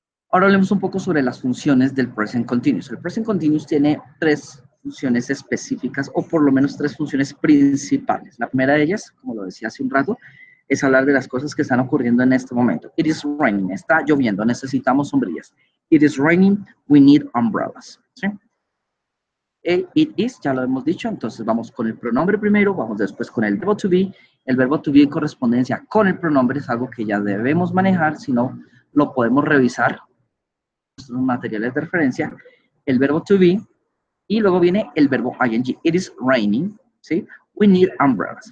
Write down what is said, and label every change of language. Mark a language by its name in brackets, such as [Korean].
[Spanish] Ahora hablemos un poco sobre las funciones del Present Continuous. El Present Continuous tiene tres funciones específicas o por lo menos tres funciones principales. La primera de ellas, como lo decía hace un rato, es hablar de las cosas que están ocurriendo en este momento. [English] It is raining, [Spanish] está lloviendo, necesitamos sombrillas. [English] It is raining, we need umbrellas. [Spanish] ¿Sí? [English] It is, [Spanish] ya lo hemos dicho, entonces vamos con el pronombre primero, vamos después con el verbo to be. El verbo to be en correspondencia con el pronombre es algo que ya debemos manejar, si no, lo podemos revisar en nuestros materiales de referencia. El verbo to be, y luego viene el verbo ing. [English] It is raining, [Spanish] ¿sí? [English] We need umbrellas.